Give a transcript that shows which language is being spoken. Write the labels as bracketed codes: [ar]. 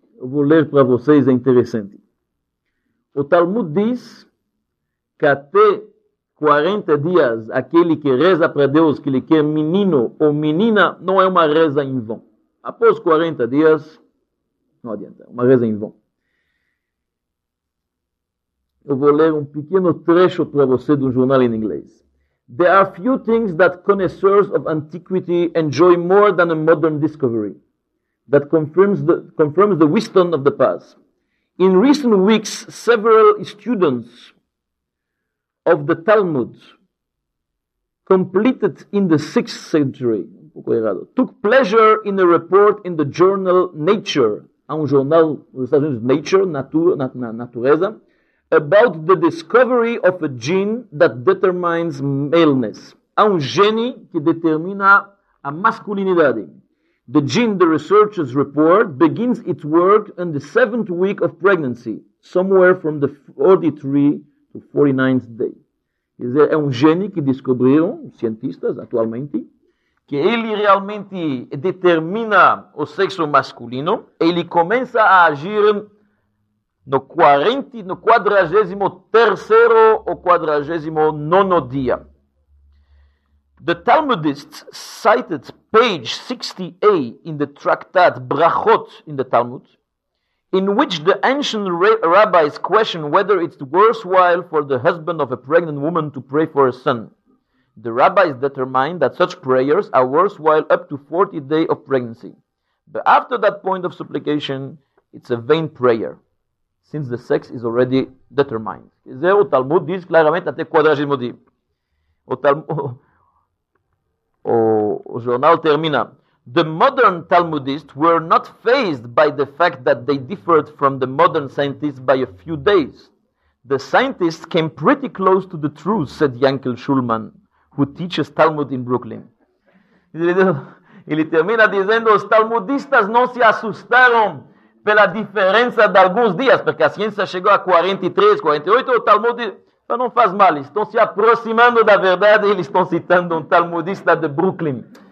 [pt] Eu vou ler para vocês, é interessante. O Talmud diz que até 40 dias aquele que reza para Deus que ele quer menino ou menina não é uma reza em vão. Após 40 dias, não adianta, uma reza em vão. Eu vou ler um pequeno trecho para você de um jornal em inglês. [en] There are few things that connoisseurs of antiquity enjoy more than a modern discovery that confirms the wisdom of the past. In recent weeks, several students of the Talmud completed in the 6th century took pleasure in a report in the journal Nature, [fr] un journal aux États-Unis, [en] Nature, Natureza, about the discovery of a gene that determines maleness. [pt] Há um gene que determina a masculinidade. [en] The gene, the researchers report, begins its work in the 7th week of pregnancy, somewhere from the 43 to 49th day. [pt] Quer dizer, é um gene que descobriram, cientistas atualmente, que ele realmente determina o sexo masculino, ele começa a agir no 43º ou 49º dia. [en] The Talmudists cited page 60a in the Tractate Brachot in the Talmud, in which the ancient rabbis question whether it's worthwhile for the husband of a pregnant woman to pray for a son. The rabbis determined that such prayers are worthwhile up to 40 days of pregnancy. But after that point of supplication, it's a vain prayer, since the sex is already determined. [pt] Quer dizer, o Talmud diz claramente até 40º dia. O jornal termina. [en] The modern Talmudists were not fazed by the fact that they differed from the modern scientists by a few days. The scientist came pretty close to the truth, said Yankel Shulman, who teaches Talmud in Brooklyn. [pt] Ele termina dizendo, os talmudistas não se assustaram pela diferença de alguns dias, porque a ciência chegou a 43, 48, o Talmud não faz mal, estão se aproximando da verdade, eles estão citando um talmudista de Brooklyn.